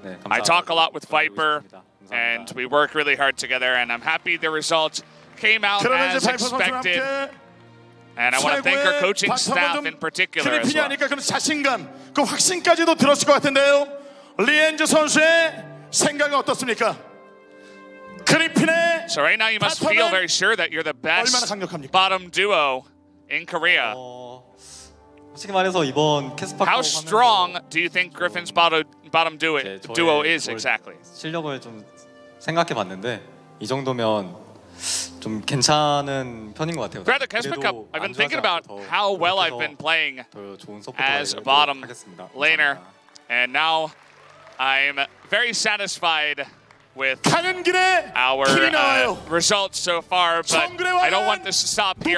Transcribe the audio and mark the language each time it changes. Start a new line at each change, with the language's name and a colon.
English: I talk a lot with Viper, and we work really hard together, and I'm happy the results came out as expected. And I want to thank our coaching staff in particular as well.
Korean: 하니까 그런 자신감, 그 확신까지도 들었을 것 같은데요. 리엔즈 선수의 생각이 어떻습니까? 그리핀의
English: So right now you must feel very sure that you're the best bottom duo in Korea. How strong do you think Griffin's bottom duo is exactly?
Korean: 실력을 좀 생각해 봤는데 이 정도면 좀 괜찮은 편인 것 같아요.
English: Throughout the KeSPA Cup, I've been thinking about how well I've been playing as a bottom laner, and now I'm very satisfied with our results so far, but I don't want this to stop here.